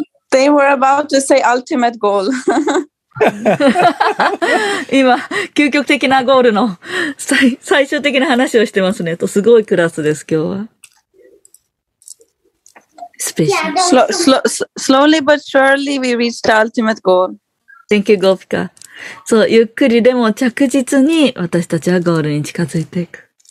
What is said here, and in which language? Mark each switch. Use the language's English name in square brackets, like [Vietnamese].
[English] They were about to say ultimate goal. [Japanese] 今究極的なゴールの最終的な話をしてますねと。すごいクラスです今日は。スペシャル。 [English] Slowly but surely we reach the ultimate goal. Thank you, Gopika. [Japanese] そう、ゆっくりでも着実に私たちはゴールに近づいていく。